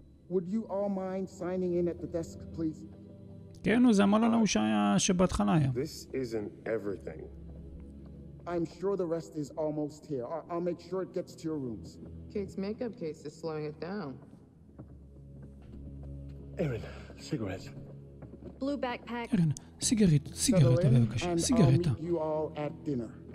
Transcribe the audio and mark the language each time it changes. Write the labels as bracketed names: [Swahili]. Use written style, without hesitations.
[English] Would you all mind signing in at the desk, please? [Hebrew] כן, זה המלון ההוא שהיה שבהתחלה היה. [English] This isn't everything. I'm sure the rest is almost here. I'll make sure it gets to your rooms. Kate's makeup case is slowing it down. Erin, cigarette. Blue backpack. Erin, cigarette, cigarette, בבקשה. Cigarette. I'll meet you all at dinner.